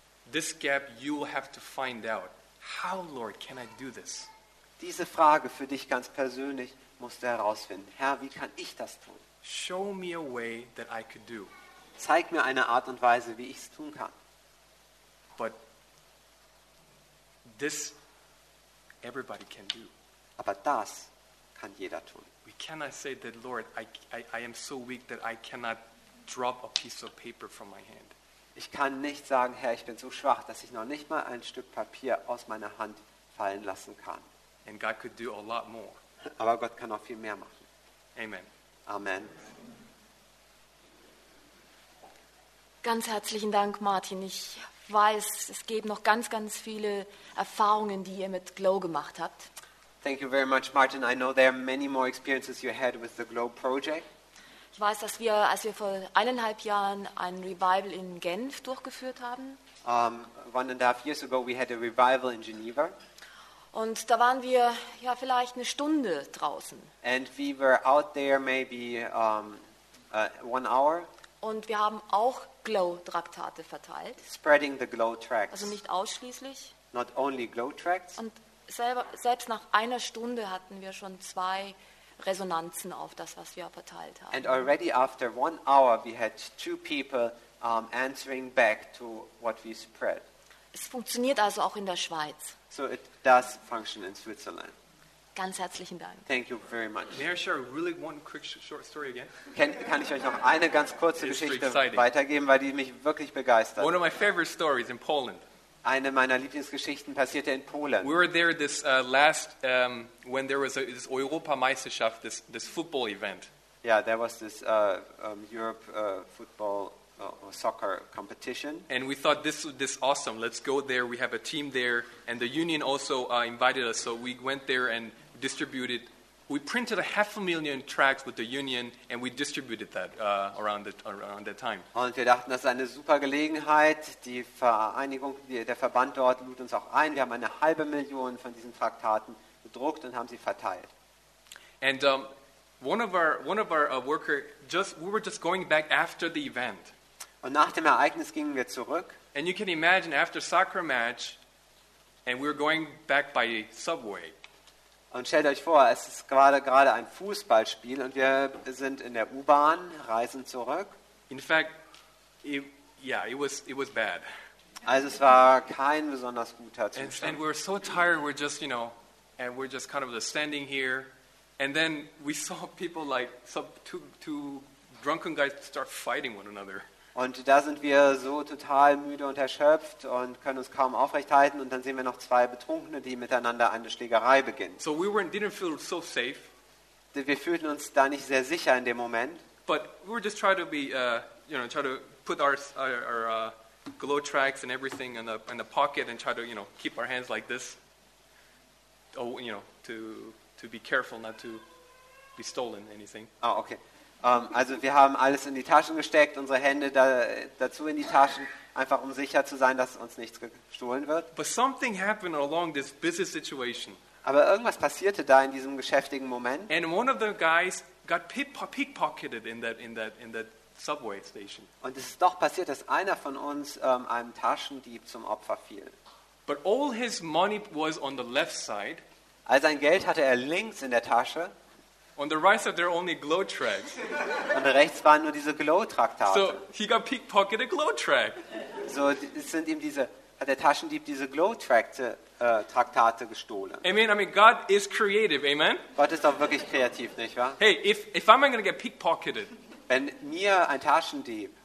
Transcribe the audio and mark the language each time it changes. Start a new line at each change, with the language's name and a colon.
English: This gap you will have to find out. How, Lord, can I do this?
German: Diese Frage für dich ganz persönlich musst du herausfinden. Herr, wie kann ich das tun?
English: Show me a way that I could do.
German: Zeig mir eine Art und Weise, wie ich es tun kann.
English: But this everybody can do.
German: Aber das kann jeder tun.
English: We cannot say that, Lord, I am so weak that I cannot drop a piece of paper from my hand.
German: Ich kann nicht sagen, Herr, ich bin so schwach, dass ich noch nicht mal ein Stück Papier aus meiner Hand fallen lassen kann.
English: And God could do a lot more.
German: Aber Gott kann auch viel mehr machen.
English: Amen.
German: Amen. Ganz herzlichen Dank, Martin. Ich weiß, es gibt noch ganz, ganz viele Erfahrungen, die ihr mit GLOW gemacht habt.
English: Thank you very much, Martin. I know there are many more experiences you had with the GLOW project.
German: Ich weiß, dass wir, als wir vor 1,5 Jahren ein Revival in Genf durchgeführt haben.
English: 1,5 years ago we had a revival in Geneva.
German: Und da waren wir ja vielleicht eine Stunde draußen.
English: And we were out there maybe 1 hour.
German: Und wir haben auch Glow-Traktate verteilt.
English: Spreading the glow tracts.
German: Also nicht ausschließlich.
English: Not only glow tracts.
German: Und selbst nach einer Stunde hatten wir schon 2 Resonanzen auf das, was wir verteilt haben.
English: And already after 1 hour, we had 2 people answering back to what we spread.
German: Es funktioniert also auch in der Schweiz.
English: So it does function in Switzerland.
German: Ganz herzlichen Dank.
English: Thank you very much. May I share really one quick short story again?
German: Kann ich euch noch eine ganz kurze Geschichte weitergeben, weil die mich wirklich begeistert?
English: One of my favorite stories in Poland.
German: Eine meiner Lieblingsgeschichten passierte in Polen.
English: We were there this last when there was this Europameisterschaft, this football event. Yeah, there was this Europe football or soccer competition. And we thought this awesome. Let's go there. We have a team there, and the union also invited us. So we went there and distributed. We printed 500,000 tracks with the union, and we distributed that around that time.
German: Und wir dachten, das ist eine super Gelegenheit. Die Vereinigung, der Verband dort lud uns auch ein. Wir haben 500,000 von diesen Traktaten gedruckt und haben sie verteilt.
English: And we were just going back after the event.
German: Und nach dem Ereignis gingen wir zurück.
English: And you can imagine after soccer match, and we were going back by subway.
German: Und stellt euch vor, es ist gerade ein Fußballspiel und wir sind in der U-Bahn, reisen zurück.
English: In fact, it was bad.
German: Also es war kein besonders guter Zustand.
English: And we were so tired, we're just kind of just standing here. And then we saw people like some two drunken guys start fighting one another.
German: Und da sind wir so total müde und erschöpft und können uns kaum aufrechthalten. Und dann sehen wir noch zwei Betrunkene, die miteinander eine Schlägerei beginnen.
English: So we were, didn't feel so safe.
German: Wir fühlten uns da nicht sehr sicher in dem Moment.
English: But we were just trying to be, you know, try to put our glow tracks and everything in the pocket and try to, you know, keep our hands like this. Oh, you know, to be careful not to be stolen anything. Oh, okay.
German: Also wir haben alles in die Taschen gesteckt, unsere Hände dazu in die Taschen, einfach um sicher zu sein, dass uns nichts gestohlen wird.
English: But something happened along this busy situation.
German: Aber irgendwas passierte da in diesem geschäftigen Moment.
English: And one of the guys got pickpocketed in that subway station.
German: Und es ist doch passiert, dass einer von uns einem Taschendieb zum Opfer fiel.
English: But all his money was on the left side.
German: All sein Geld hatte er links in der Tasche.
English: On the right side there are only glow tracks.
German: Und rechts waren nur diese Glow Traktate.
English: So he got pickpocketed a glow track.
German: So sind ihm diese, hat der Taschendieb diese Glow Traktate gestohlen.
English: I mean God is creative, amen.
German: Gott ist doch wirklich kreativ, nicht wahr?
English: Hey, if I'm going to get pickpocketed,
German: wenn mir ein Taschendieb,